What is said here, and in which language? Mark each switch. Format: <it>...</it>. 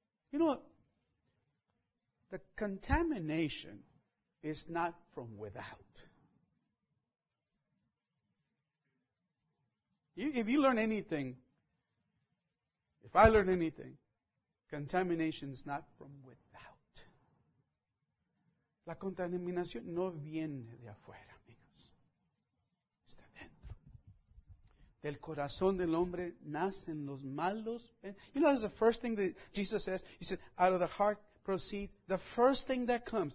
<en>You know, the contamination is not from without. If you learn anything, if I learn anything, contamination is not from without.</en> <es>La contaminación no viene de afuera, amigos. Está Del corazón del hombre nacen los malos.</es> <en>You know, that's the first thing that Jesus says. He said, out of the heart proceed the first thing that comes.</en>